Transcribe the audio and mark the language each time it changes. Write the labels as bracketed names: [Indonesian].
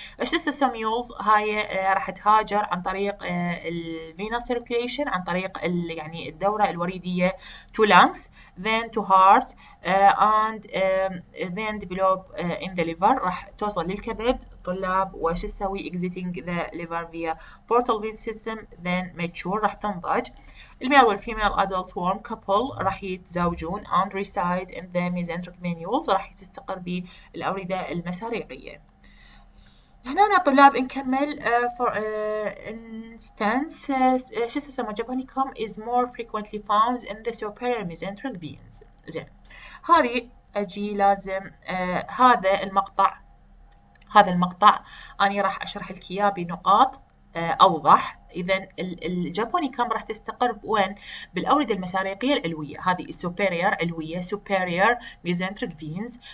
[Arabic] الشيستوسوميولز هاي راح تهاجر عن طريق الفينا سيركيليشن، عن طريق يعني الدوره الوريديه [English] to lungs then to heart and then develop in the liver، [Arabic] راح توصل للكبد طلاب. وش تسوي؟ [English] exiting the liver via portal vein system then mature، [Arabic] راح تنضج. [English] الميل والفيميل adult worm couple [Arabic] راح يتزوجون [English] and reside in the mesenteric venules, [Arabic] راح تستقر بالاورده المساريقيه. هنا طلاب نكمل. [English] for instance schistosoma japonicum is more frequently found in the superior mesenteric veins. [Arabic] زين هذه اجي لازم هذا المقطع، هذا المقطع اني راح اشرح لك اياه بنقاط اوضح. اذا الجابونيكم راح تستقر وين؟ بالاورده المساريقيه العلويه، هذه السوبيريور علويه، سوبيريور ميزنتريك فينز.